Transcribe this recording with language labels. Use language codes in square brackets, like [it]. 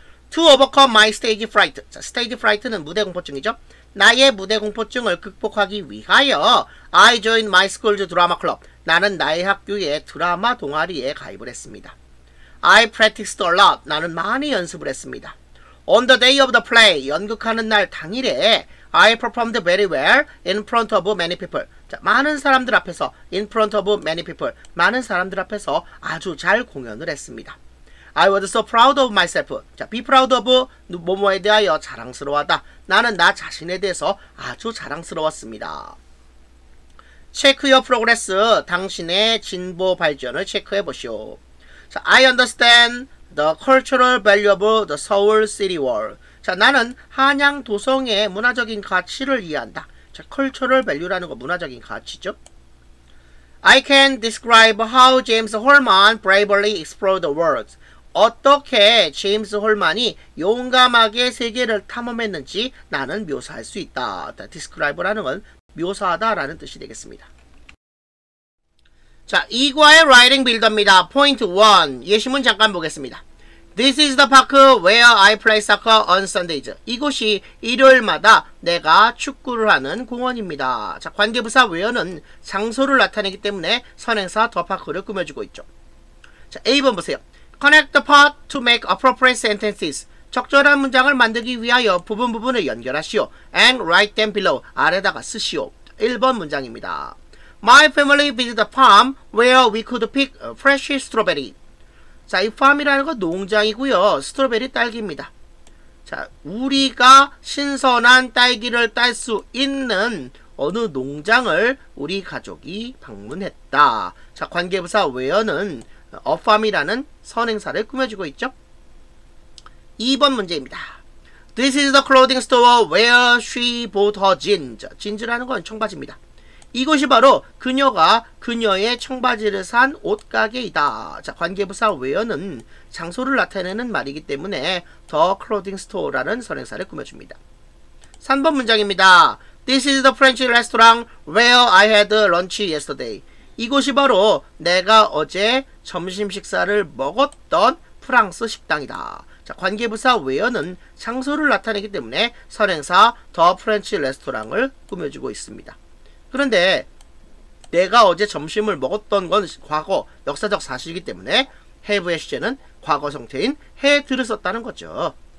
[en] To overcome my stage fright. [ko] 자, stage fright는 무대 공포증이죠. 나의 무대 공포증을 극복하기 위하여 [en] I joined my school's drama club. [ko] 나는 나의 학교의 드라마 동아리에 가입을 했습니다. [en] I practiced a lot. [ko] 나는 많이 연습을 했습니다. [en] On the day of the play, [ko] 연극하는 날 당일에 [en] I performed very well in front of many people. [ko] 자, 많은 사람들 앞에서 [en] in front of many people. [ko] 많은 사람들 앞에서 아주 잘 공연을 했습니다. [en] I was so proud of myself. 자, be proud of [ko] 뭐뭐에 대하여 자랑스러워하다. 나는 나 자신에 대해서 아주 자랑스러웠습니다. [en] Check your progress. [ko] 당신의 진보 발전을 체크해 보시오. [en] 자, I understand the cultural value of the Seoul City Wall. [ko] 자, 나는 한양 도성의 문화적인 가치를 이해한다. 자, cultural value라는 거 문화적인 가치죠. [en] I can describe how James Holman bravely explored the world. [ko] 어떻게 제임스 홀만이 용감하게 세계를 탐험했는지 나는 묘사할 수 있다. Describe라는 건 묘사하다라는 뜻이 되겠습니다. 자, 2과의 Writing Builder입니다. Point 1. 예시문 잠깐 보겠습니다. [en] This is the park where I play soccer on Sundays. [ko] 이곳이 일요일마다 내가 축구를 하는 공원입니다. 자, 관계부사 where는 장소를 나타내기 때문에 선행사 the park를 꾸며주고 있죠. 자, A번 보세요. [en] Connect the part to make appropriate sentences. [ko] 적절한 문장을 만들기 위하여 부분 부분을 연결하시오. [en] And write them below. [ko] 아래다가 쓰시오. 1번 문장입니다. [en] My family visited the farm where we could pick fresh strawberry. [ko] 자, 이 farm이라는 건 농장이고요. 스트로베리 딸기입니다. 자, 우리가 신선한 딸기를 딸 수 있는 어느 농장을 우리 가족이 방문했다. 자, 관계부사 where는 A farm이라는 선행사를 꾸며주고 있죠. 2번 문제입니다. [en] This is the clothing store where she bought her jeans. [ko] 진즈라는 건 청바지입니다. 이곳이 바로 그녀가 그녀의 청바지를 산 옷가게이다. 자, 관계부사 where는 장소를 나타내는 말이기 때문에 the clothing store라는 선행사를 꾸며줍니다. 3번 문장입니다. [en] This is the French restaurant where I had lunch yesterday. [ko] 이곳이 바로 내가 어제 점심 식사를 먹었던 프랑스 식당이다. 자, 관계부사 where는 장소를 나타내기 때문에 선행사 the French restaurant을 꾸며주고 있습니다. 그런데 내가 어제 점심을 먹었던 건 과거 역사적 사실이기 때문에 have의 시제는 과거 형태인 had를 썼다는 거죠.